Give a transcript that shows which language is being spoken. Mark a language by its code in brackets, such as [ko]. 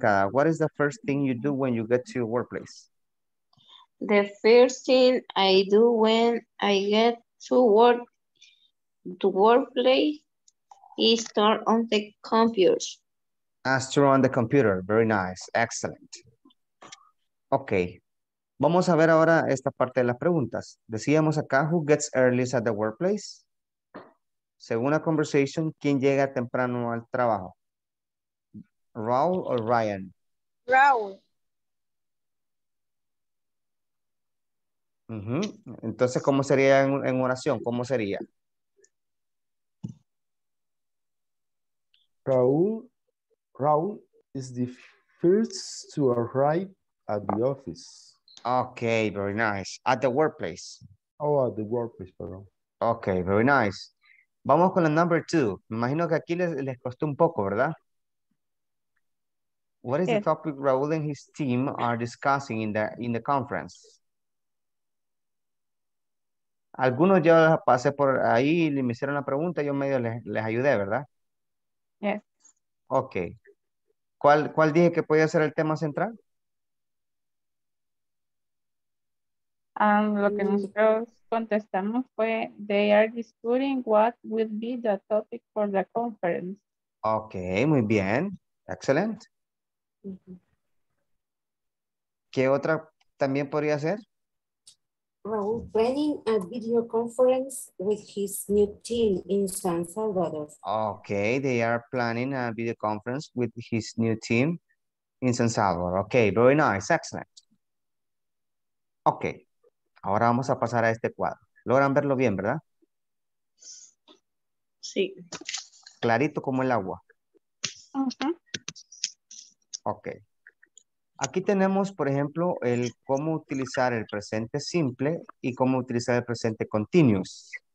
[en] What is the first thing you do when you get to your workplace? The first thing I do when I get to work, the workplace, is turn on the computer. Very nice, excellent. [es] Ok, vamos a ver ahora esta parte de las preguntas. Decíamos acá, [en] who gets earliest at the workplace? [es] Según la conversation, ¿quién llega temprano al trabajo? ¿Raúl o Ryan? Raúl. Uh-huh. Entonces, ¿cómo sería en oración? ¿Cómo sería? [en] Raúl is the first to arrive at the office. Okay, very nice. At the workplace. Oh, at the workplace, perdón. Okay, very nice. [es] Vamos con la [en] number two. [es] Me imagino que aquí les costó un poco, ¿verdad? [en] What is the topic Raúl and his team are discussing in the conference? [es] Algunos ya pasé por ahí y me hicieron la pregunta, yo medio les ayudé, ¿verdad? [en] Yes. Okay. [es] ¿Cuál dije que podía ser el tema central? Lo que nosotros contestamos fue, [en] they are discussing what will be the topic for the conference. [es] Okay, muy bien. Excellent. ¿Qué otra también podría ser? [en] Raúl planning a video conference with his new team in San Salvador. Okay, they are planning a video conference with his new team in San Salvador. Okay, very nice, excellent. [es] Okay, ahora vamos a pasar a este cuadro. ¿Logran verlo bien, verdad? Sí. Clarito como el agua. [en] Ok. [es] Aquí tenemos, por ejemplo, el cómo utilizar el presente simple y cómo utilizar el presente continuous.